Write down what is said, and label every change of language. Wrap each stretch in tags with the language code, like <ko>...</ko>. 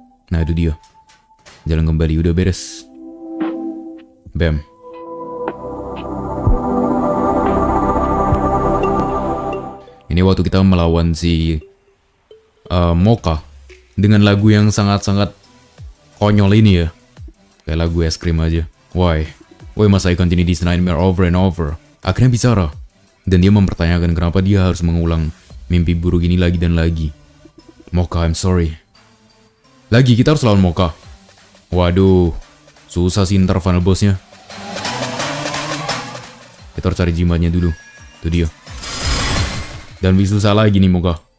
<id>Nah, itu dia. Jalan kembali udah beres. Bam. Ini waktu kita melawan si Mocha dengan lagu yang sangat-sangat konyol ini ya. Kayak lagu Es Krim aja.</id> <en>Why must I continue this nightmare over and over?</en> <id>Akhirnya bicara. Dan dia mempertanyakan kenapa dia harus mengulang mimpi buruk ini lagi dan lagi. Mocha,</id> <en>I'm sorry.</en> <id>Lagi kita harus lawan Mocha. Waduh. Susah sih ntar final bossnya. Kita cari jimatnya dulu. Itu dia. Dan lebih susah lagi nih Mocha.</id>